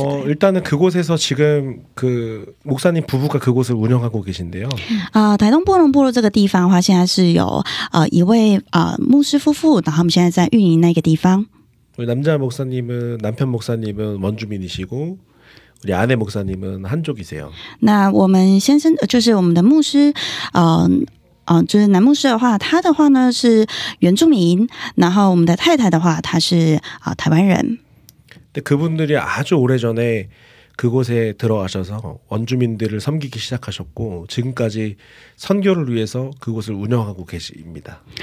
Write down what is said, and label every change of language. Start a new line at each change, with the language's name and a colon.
Korean: 일단은 그곳에서 지금 그 목사님 부부가 그곳을 운영하고 계신데요.
Chinese: 아, 台东布农部落这个地方的话，现在是有一位牧师夫妇，然后他们现在在运营那个地方。
Korean: 우리 남자 목사님은 남편 목사님은 원주민이시고. 우리 아내 목사님은 한족이세요.
Chinese: 那我们先生就是我们的牧师，就是男牧师的话，他的话呢是原住民，然后我们的太太的话，她是台湾人。
Korean: 근데 그분들이 아주 오래 전에 그곳에 들어가셔서 원주민들을 섬기기 시작하셨고 지금까지 선교를 위해서 그곳을 운영하고 계십니다.